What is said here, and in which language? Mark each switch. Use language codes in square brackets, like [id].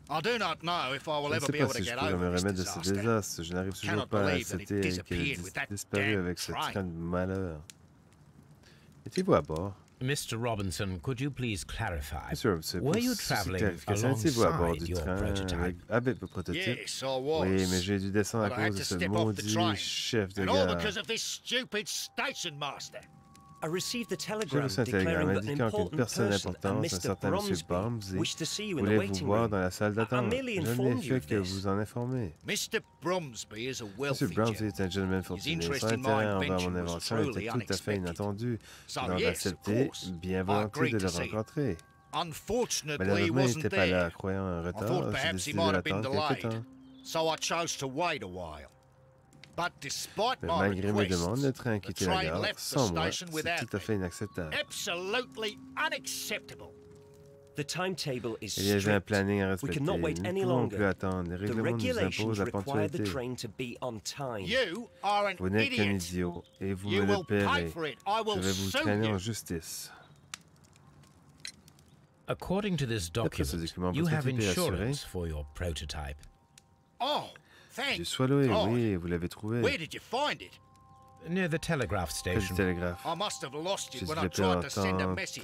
[fr] Je sais pas si je pourrais me remettre de ce désastre. Je n'arrive toujours pas à accepter qu'elle ait disparu avec ce train de malheur. Mettez-vous à bord. [en] Mr. Robinson, could you please clarify? Monsieur Robinson, were you traveling alongside your prototype? [fr] Avec votre prototype? [en] Yes, I was. [fr] Oui, mais j'ai dû descendre à cause de ce maudit chef de gare. [en] And all because of this stupid station master. I received the telegram declaring that an important person, and Mr. Bromsby, wished to see you in the waiting room. [fr] Voir dans la salle d'attente. [en] I merely informed you of this. [fr] Vous en informer. [en] Mr. Bromsby is a wealthy gentleman. His interest in my invention was truly unexpected. So yes, of course, I agreed to see him. Unfortunately, he wasn't there. I thought perhaps he might have been delayed, so I chose to wait a while. But despite my request, the train left the station without me. Absolutely unacceptable. The timetable is strict. We cannot wait any longer. The regulations require the train to be on time. You are an idiot. [fr] Vous n'êtes qu'un idiot et vous me le paierez. Je vais vous traîner en justice. [en] According to this document, you have insurance for your prototype. Oh. [fr] Je suis loué, oui, vous l'avez trouvé. [en] Where did you find it? Near the telegraph station. I must have lost it when I tried to send a message.